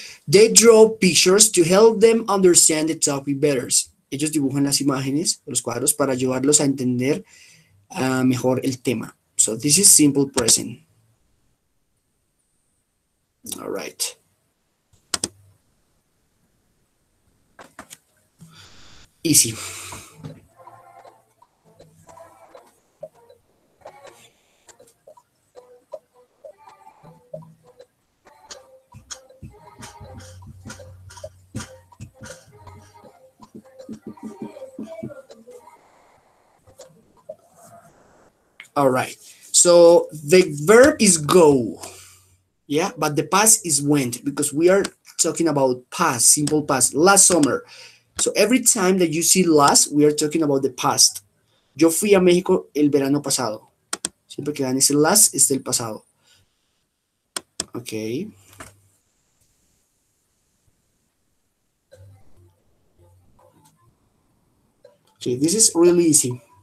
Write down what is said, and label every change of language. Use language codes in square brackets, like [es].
[en] They draw pictures to help them understand the topic better. [es] Ellos dibujan las imágenes, los cuadros, para ayudarlos a entender mejor el tema. [en] So this is simple present. All right. Easy. All right. So the verb is go. Yeah, but the past is went because we are talking about past, simple past, last summer. So every time that you see last, we are talking about the past. [es] Yo fui a México el verano pasado. Siempre que dan ese last, es del pasado. Okay. [en] Okay, this is really easy.